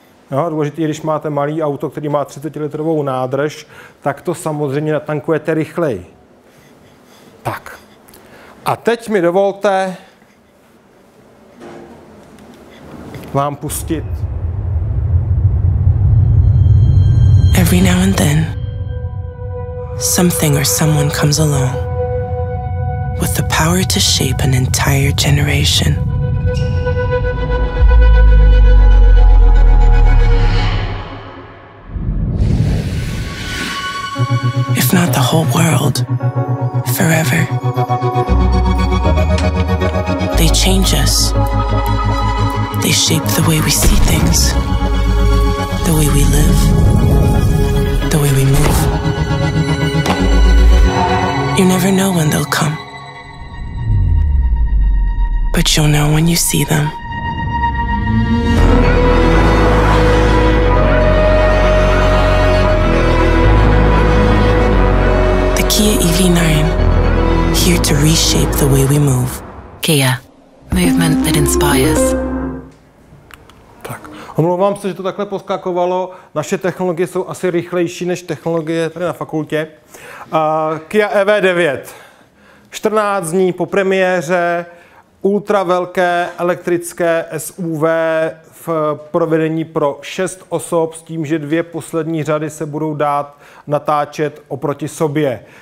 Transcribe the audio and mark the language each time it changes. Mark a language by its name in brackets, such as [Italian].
[Czech] No, důležité, když máte malý auto, který má 30-litrovou nádrž, tak to samozřejmě natankujete rychleji. Tak. A teď mi dovolte vám pustit. [English] Every now and then, something or someone comes along with the power to shape an entire generation. If not the whole world, forever. They change us. They shape the way we see things, the way we live, the way we move. You never know when they'll come. But you'll know when you see them. The Kia EV9. Here to reshape the way we move. Kia. Movement that inspires. [Czech] Tak, omlouvám se, že to takhle poskakovalo. Naše technologie jsou asi rychlejší než technologie tady na fakultě. Kia EV9. 14 dní po premiéře. Ultra velké elektrické SUV v provedení pro 6 osob s tím, že dvě poslední řady se budou dát natáčet oproti sobě.